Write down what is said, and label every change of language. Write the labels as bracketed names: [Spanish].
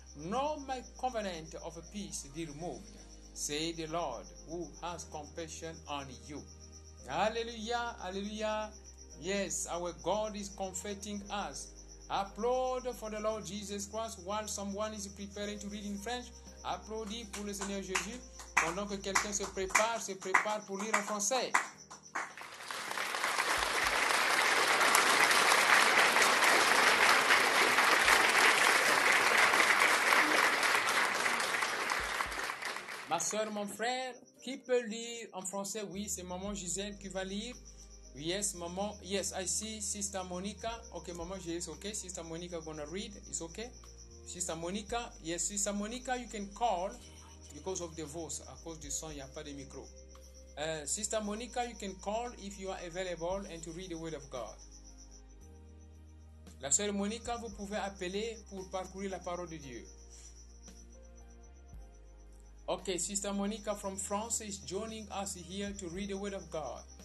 [English] Nor my covenant of peace be removed, say the Lord who has compassion on you. Hallelujah, hallelujah. Yes, our God is comforting us. Applaud for the Lord Jesus Christ while someone is preparing to read in French. [French] Applaudis pour le Seigneur Jésus pendant que quelqu'un se prépare pour lire en français. Ma soeur, mon frère, qui peut lire en français? Oui, c'est maman Gisèle qui va lire. [English] Yes, maman. Yes, I see Sister Monica. Okay, maman, yes, okay. Sister Monica gonna read. It's okay. Sister Monica. Yes, Sister Monica, you can call because of the voice. [French] À cause du son, il n'y a pas de micro. [English] Sister Monica, you can call if you are available and to read the word of God. [French] La soeur Monica, vous pouvez appeler pour parcourir la parole de Dieu. [English] Okay, Sister Monica from France is joining us here to read the word of God.